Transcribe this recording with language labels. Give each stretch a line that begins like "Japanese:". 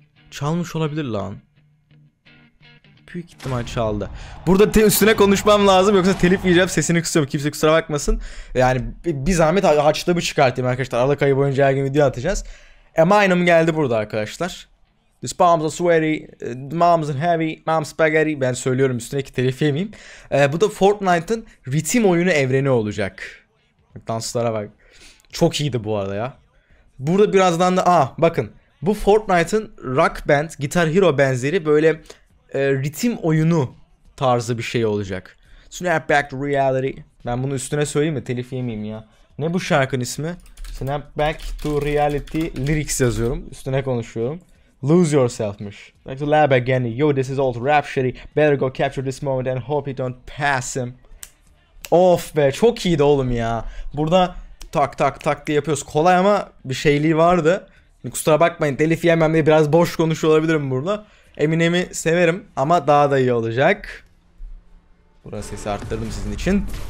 Turkish: Çalmış olabilir lan. Büyük ihtimal çaldı. Burada üstüne konuşmam lazım yoksa telif yiyeceğim, sesini kısıyorum. Kimse kusura bakmasın. Yani bir zahmet haçlı bir çıkartayım arkadaşlar. Aralık ayı boyunca her gün video atacağız. Eminem geldi burada arkadaşlar.
English: This palms are sweaty, the mom's are heavy, mom's spaghetti.
Turkish: Ben söylüyorum üstündeki telif yemeyeyim. Bu da Fortnite'ın ritim oyunu evreni olacak. Danslara bak. Çok iyiydi bu arada ya. Burada birazdan da bakın. Bu Fortnite'ın Rock Band, Guitar Hero benzeri böyle ritim oyunu tarzı bir şey olacak. Snapback to Reality. Ben bunu üstüne söyleyeyim mi? Telif yemeyeyim ya. Ne bu şarkının ismi? Snapback to Reality Lyrics yazıyorum. Üstüne konuşuyorum. Lose yourself'mış.
English: Back to lab again. Yo, this is old rap shitty. Better go capture this moment and hope it don't pass him.
Turkish: Of be, çok iyiydi oğlum ya. Burada tak tak tak diye yapıyoruz. Kolay ama bir şeyliği vardı. Kusura bakmayın, telif yemem diye biraz boş konuşuyor olabilirim burada. Eminem'i severim ama daha da iyi olacak. Burası sesi arttırdım sizin için.